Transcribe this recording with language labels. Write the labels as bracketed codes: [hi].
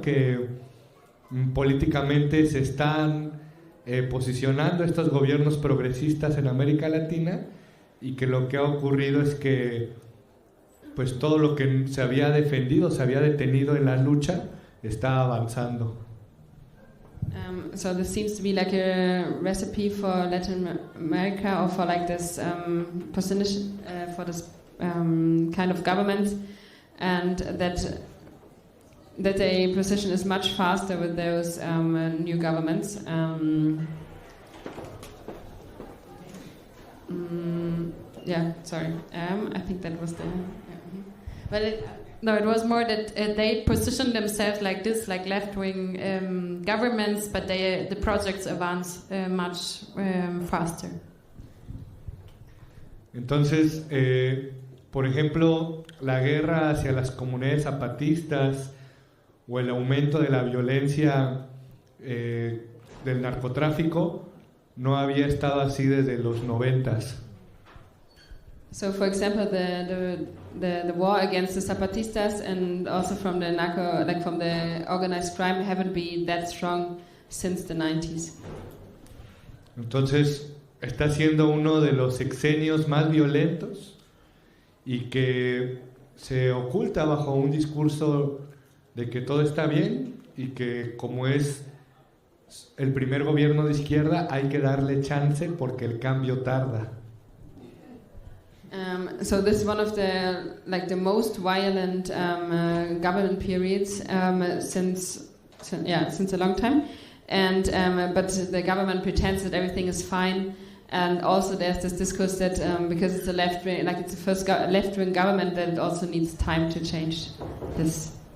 [es] Que políticamente se están posicionando estos gobiernos progresistas en América Latina, y que lo que ha ocurrido es que pues todo lo que se había defendido, se había detenido en la lucha, está avanzando. [en] So this seems to be like a recipe for Latin America, or for like this position for this kind of government, and that the position is much faster with those new governments. I think that was the. Yeah. But it was more that they positioned themselves like this, like left-wing governments, but the projects advance much faster. [es] Entonces, por ejemplo, la guerra hacia las comunidades zapatistas o el aumento de la violencia del narcotráfico no había estado así desde los noventas. [en] So, for example, the war against the Zapatistas and also from the narco, like from the organized crime, haven't been that strong since the 90s. [es] Entonces, está siendo uno de los sexenios más violentos y que se oculta bajo un discurso de que todo está bien y que como es el primer gobierno de izquierda, hay que darle chance porque el cambio tarda. [en] So this is one of the most violent government periods since a long time, and but the government pretends that everything is fine, and also there's this discourse that because it's a left wing, like it's the first left wing government, that it also needs time to change this.